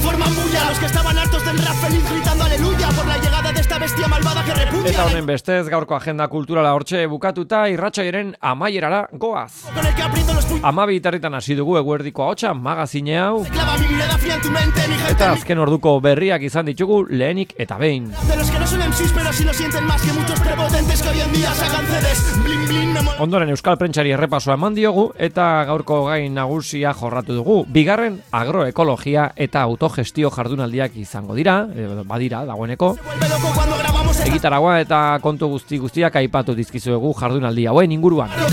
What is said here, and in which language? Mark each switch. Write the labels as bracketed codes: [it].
[es] Forman bulla los que estaban hartos del rap feliz gritando aleluya por la llegada de esta bestia malvada que repudia. [eu] Eta honen bestez, gaurko agenda kulturala hortxe bukatuta, irratxaiaren amaierara goaz. [es] Con el que aprieto los puños. [eu] Amabi itarritan hasi dugu eguerdiko ahotsa magazine hau. [es] Clava mi mirada fría en tu mente, mi gente. [eu] Eta azken orduko berriak izan ditugu lehenik eta behin. [es] De los que no son MCs, pero si lo sienten más que muchos prepotentes que hoy en día sacan CDs. Bling, bling, [eu] Ondoren euskal prentxari errepasoa eman diogu eta gaurko gain nagusia jorratu dugu. Bigarren, agroekologia eta autogestio jardunaldiak izango dira, badira, dagoeneko. Egitaragoa eta kontu guzti guztiak aipatu dizkizuegu jardunaldi hauen inguruan.